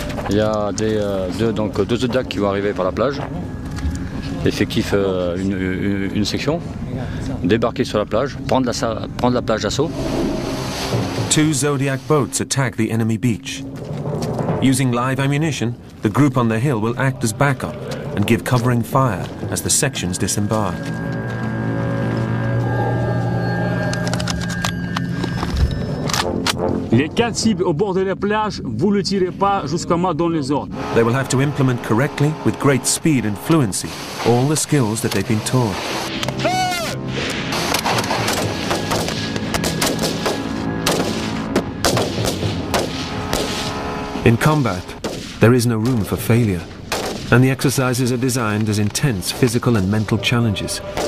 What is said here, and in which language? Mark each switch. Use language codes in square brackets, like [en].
[fr] Il y a des, deux zodiacs qui vont arriver par la plage. Effectif une section, débarquer sur la plage, prendre la plage d'assaut. [en] Two Zodiac boats attack the enemy beach. Using live ammunition, the group on the hill will act as backup and give covering fire as the sections disembark. [fr] Les quatre cibles au bord de la plage, vous ne tirez pas jusqu'à moi dans les ordres. [en] They will have to implement correctly, with great speed and fluency, all the skills that they've been taught. In combat, there is no room for failure, and the exercises are designed as intense physical and mental challenges.